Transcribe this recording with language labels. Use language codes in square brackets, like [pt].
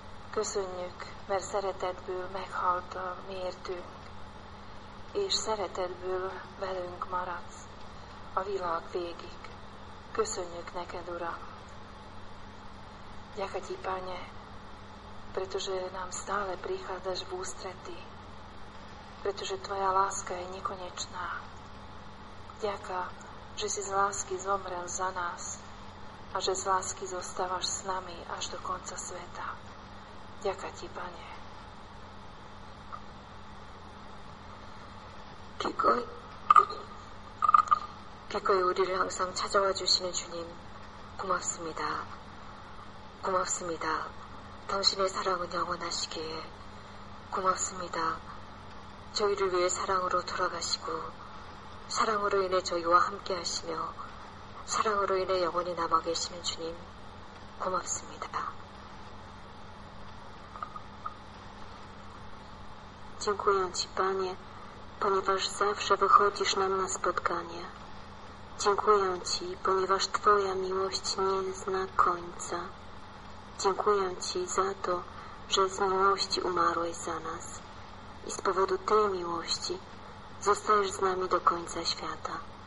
[hu] Köszönjük, mert szeretetből meghalt a miértünk, és szeretetből velünk maradsz a világ végig. Köszönjük neked, Uram. [uk] Дякую, Пане, [sk] pretože nám stále prichádzaš v ústretí, pretože Tvoja láska je nekonečná. Ďakujem, že si z lásky zomrel za nás a že z lásky zostávaš s nami až do konca sveta. Ďakujem, Pane. [ko] 기꺼이 우리를 항상 찾아와 주시는 주님, 고맙습니다. 고맙습니다. 당신의 사랑은 영원하시기에 고맙습니다. 저희를 위해 사랑으로 돌아가시고 사랑으로 인해 저희와 함께 하시며 사랑으로 인해 영원히 남아 계시는 주님, 고맙습니다. 진고양 집안에 [pl] ponieważ zawsze wychodzisz nam na spotkanie. Dziękuję Ci, ponieważ Twoja miłość nie zna końca. Dziękuję Ci za to, że z miłości umarłeś za nas i z powodu tej miłości zostajesz z nami do końca świata.